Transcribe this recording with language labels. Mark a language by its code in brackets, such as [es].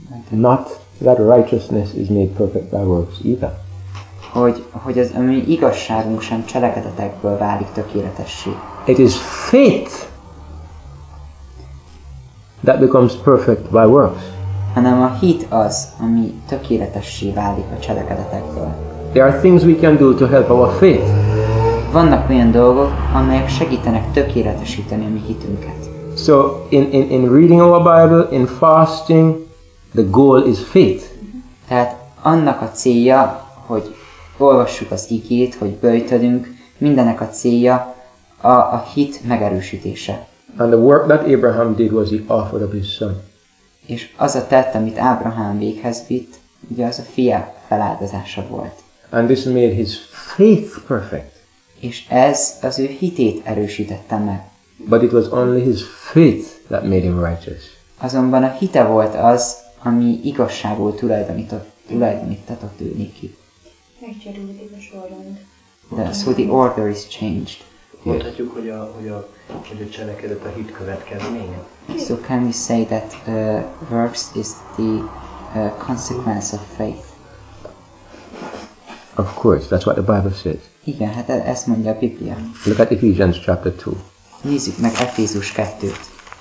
[en] Not that righteousness is made perfect by works either. [hu] Hogy az ami igazságunk sem cselekedetekből válik tökéletessé. [en] It is faith that becomes perfect by works. [hu] Hanem a hit az, ami tökéletessé válik a cselekedetekből. [en] There are things we can do to help our faith. [hu] Vannak olyan dolgok, amelyek segítenek tökéletesíteni a mi hitünket. [en] So in reading our Bible, in fasting, the goal is faith. [hu] Tehát annak a célja, hogy olvassuk az igét, hogy böjtölünk, mindenek a célja a hit megerősítése. [en] And the work that Abraham did was he offered up his son. [hu] És az a tett, amit Ábrahám véghez vitt, ugye az a fia feláldozása volt. [en] And this made his faith perfect. [hu] És ez az ő hitét erősítette meg. [en] But it was only his faith that made him righteous. [hu] Azonban a hite volt az, ami igazságból tulajdonított, tulajdonítatott ő neki. Megcsörült a sorrend. [en] So the order is changed. [hu] Mondhatjuk, hogy a cselekedet a hit következménye. [en] So can we say that works is the consequence of faith? Of course, that's what the Bible says. [hu] Igen, hát ezt mondja a Biblia. [en] Look at Ephesians chapter 2. [hu] Nézzük meg Efézus 2-t.